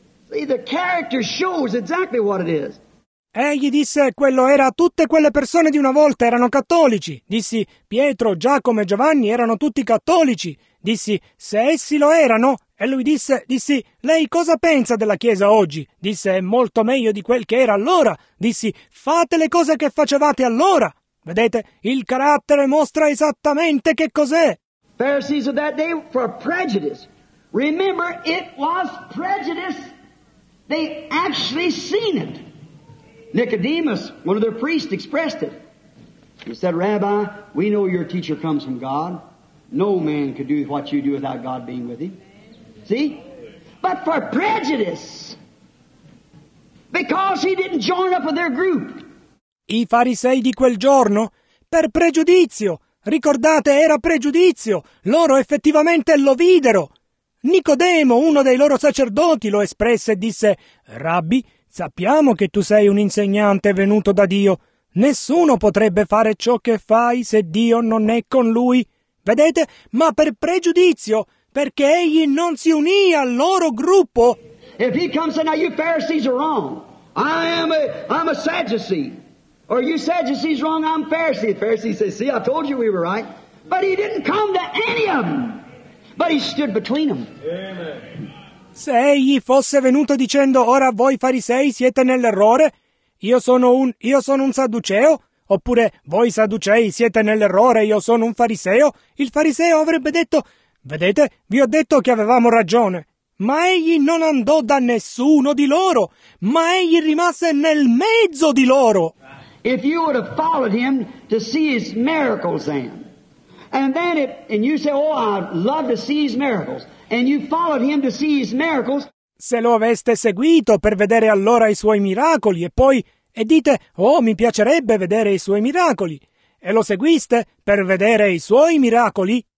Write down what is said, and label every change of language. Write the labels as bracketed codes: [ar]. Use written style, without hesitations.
[en] See, the character shows exactly what it is. [it] Egli disse, quello era tutte quelle persone di una volta, erano cattolici. Dissi, Pietro, Giacomo e Giovanni erano tutti cattolici. Dissi, se essi lo erano. E lui disse, dissi, lei cosa pensa della Chiesa oggi? Disse, è molto meglio di quel che era allora. Dissi, fate le cose che facevate allora. Vedete, il carattere mostra esattamente che cos'è. [en] Pharisees of that day for prejudice. Remember, it was prejudice. They actually seen it. Nicodemus, one of their priests, expressed it. He said, Rabbi, we know your teacher comes from God. No man could do what you do without God being with him. See? But for prejudice, because he didn't join up with their group. [it] I farisei di quel giorno, per pregiudizio, ricordate, era pregiudizio, loro effettivamente lo videro. Nicodemo, uno dei loro sacerdoti, lo espresse e disse, Rabbi, sappiamo che tu sei un insegnante venuto da Dio. Nessuno potrebbe fare ciò che fai se Dio non è con lui. Vedete? Ma per pregiudizio, perché egli non si unì al loro gruppo. [en] If he comes and now you Pharisees are wrong. I'm a Sadducee. Or you Sadducees wrong, I'm Pharisee. The Pharisee says, see, I told you we were right. But he didn't come to any of them. But he stood between them. Amen. [it] Se egli fosse venuto dicendo, ora voi farisei siete nell'errore, io sono un sadduceo, oppure voi sadducei siete nell'errore, io sono un fariseo, il fariseo avrebbe detto, vedete, vi ho detto che avevamo ragione. Ma egli non andò da nessuno di loro, ma egli rimase nel mezzo di loro. [en] If you would have followed him to see his miracles then, and you say, oh, I'd love to see his miracles. And you followed him to see his miracles. [it] Se lo aveste seguito per vedere allora i suoi miracoli e poi e dite oh mi piacerebbe vedere i suoi miracoli e lo seguiste per vedere i suoi miracoli.